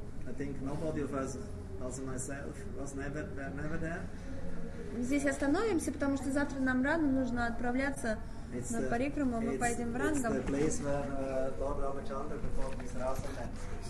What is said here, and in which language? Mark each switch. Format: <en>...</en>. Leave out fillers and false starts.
<en>I think nobody of us, also myself, was never there.</en> <ru>Здесь остановимся, потому что завтра нам рано нужно отправляться на парикраму. Мы поедем в Рангам.</ru> <en>It's the place where Lord Ramachandra performed his rasa dance.</en>